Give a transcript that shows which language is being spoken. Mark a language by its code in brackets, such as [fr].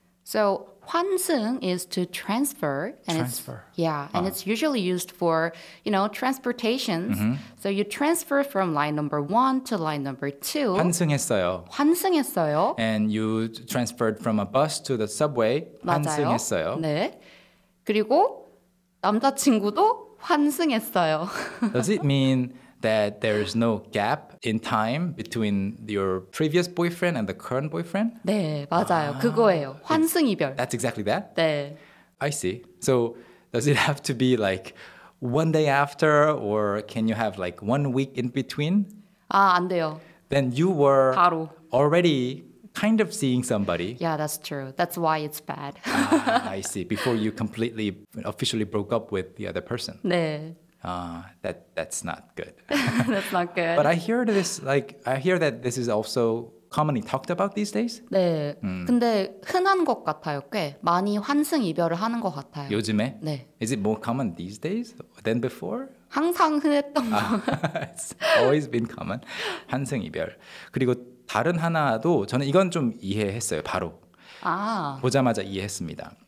[en] So 환승 is to transfer. And transfer. It's, yeah, and it's usually used for, you know, transportations. Mm-hmm. So you transfer from line number one to line number two. [ko] 환승했어요. 환승했어요. [en] And you transferred from a bus to the subway. [ko] 환승했어요. 네. 그리고 남자친구도 환승했어요. [en] Does it mean that there is no gap in time between your previous boyfriend and the current boyfriend? [ko] 네, 맞아요. 아, 그거예요. 환승이별. [en] That's exactly that? [ko] 네. [en] I see. So does it have to be like one day after or can you have like 1 week in between? [ko] 아, 안 돼요. [en] Then you were [ko] 바로. [en] Already kind of seeing somebody. Yeah, that's true. That's why it's bad. 아, I see. Before you completely officially broke up with the other person. [ko] 네. [en] That's not good. That's not good. But I hear this, like, I hear that this is also commonly talked about these days. [ko] 네. 근데 흔한 것 같아요. 꽤 많이 환승 이별을 하는 것 같아요. 요즘에? 네. [en] Is it more common these days than before? [ko] 항상 흔했던 거. [en] It's always been common. 환승 이별. [ko] 그리고 다른 하나도 저는 이건 좀 이해했어요. 바로. 아. 보자마자 이해했습니다.